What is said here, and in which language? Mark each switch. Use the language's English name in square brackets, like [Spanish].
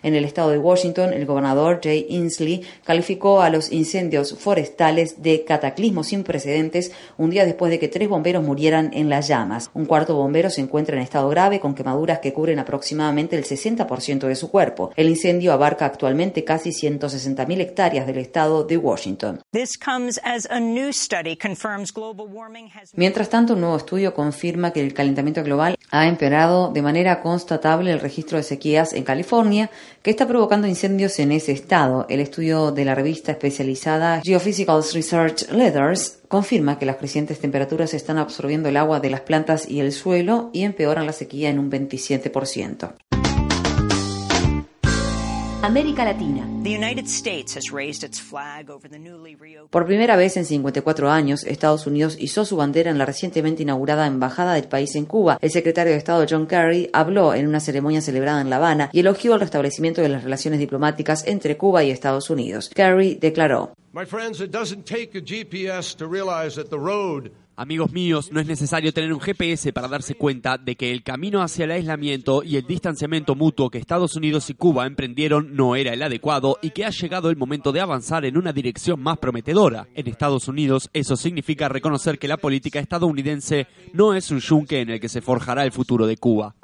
[Spanish] En el estado de Washington, el gobernador Jay Inslee calificó a los incendios forestales de cataclismos sin precedentes un día después de que 3 bomberos murieran en las llamas. Un cuarto bombero se encuentra en estado grave con quemaduras que cubren aproximadamente el 60% de su cuerpo. El incendio abarca actualmente casi 160.000 hectáreas del estado de Washington. [English] This comes as a new study confirms. [Spanish] Mientras tanto, un nuevo estudio confirma que el calentamiento global ha empeorado de manera constatable el registro de sequías en California, que está provocando incendios en ese estado. El estudio de la revista especializada Geophysical Research Letters confirma que las crecientes temperaturas están absorbiendo el agua de las plantas y el suelo y empeoran la sequía en un 27%. América Latina. [English] The United States has raised its flag over the newly reopened. [Spanish] Por primera vez en 54 años, Estados Unidos izó su bandera en la recientemente inaugurada embajada del país en Cuba. El secretario de Estado John Kerry habló en una ceremonia celebrada en La Habana y elogió el restablecimiento de las relaciones diplomáticas entre Cuba y Estados Unidos. Kerry declaró: [English] "My friends, it doesn't take a GPS to realize that the road [Spanish] Amigos míos, no es necesario tener un GPS para darse cuenta de que el camino hacia el aislamiento y el distanciamiento mutuo que Estados Unidos y Cuba emprendieron no era el adecuado y que ha llegado el momento de avanzar en una dirección más prometedora. En Estados Unidos, eso significa reconocer que la política estadounidense no es un yunque en el que se forjará el futuro de Cuba".